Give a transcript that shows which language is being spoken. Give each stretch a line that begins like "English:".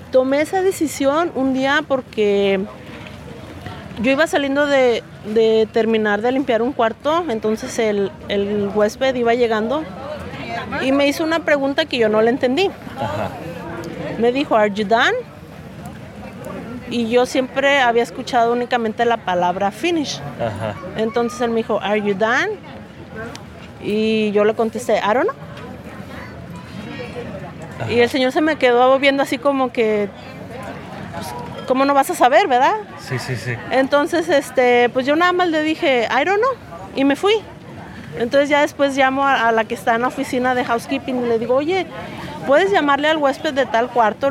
Spanish: Tomé esa decisión un día porque yo iba saliendo de terminar de limpiar un cuarto, entonces el huésped iba llegando y me hizo una pregunta que yo no le entendí. Ajá. Me dijo,
English: "Are you done?"
Spanish: Y yo siempre había escuchado únicamente la palabra finish. Ajá. Entonces él me dijo,
English: "Are you done?"
Spanish: Y yo le contesté,
English: "I don't know."
Spanish: Ajá. Y el señor se me quedó viendo así como que, pues, ¿cómo no vas a saber, verdad? Sí, sí, sí. Entonces, pues yo nada más le dije,
English: "I don't know,"
Spanish: y me fui. Entonces ya después llamo a la que está en la oficina de housekeeping y le digo, "Oye, ¿puedes llamarle al huésped de tal cuarto?"